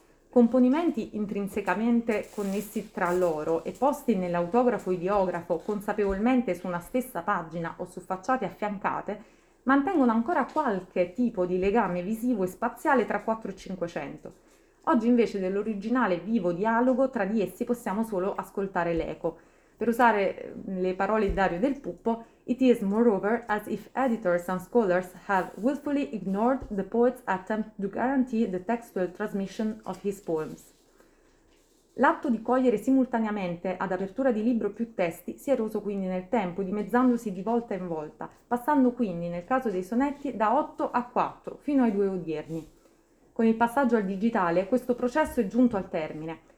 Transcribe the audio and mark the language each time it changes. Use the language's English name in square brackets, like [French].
[Italian] Componimenti intrinsecamente connessi tra loro e posti nell'autografo ideografo consapevolmente su una stessa pagina o su facciate affiancate, mantengono ancora qualche tipo di legame visivo e spaziale tra 4 e 500. Oggi invece dell'originale vivo dialogo tra di essi possiamo solo ascoltare l'eco. Per usare le parole di [English] Dario Del Puppo, it is moreover as if editors and scholars have willfully ignored the poet's attempt to guarantee the textual transmission of his poems. [Italian] L'atto di cogliere simultaneamente ad apertura di libro più testi si è eroso quindi nel tempo, dimezzandosi di volta in volta, passando quindi, nel caso dei sonetti, da 8 a 4, fino ai due odierni. Con il passaggio al digitale, questo processo è giunto al termine.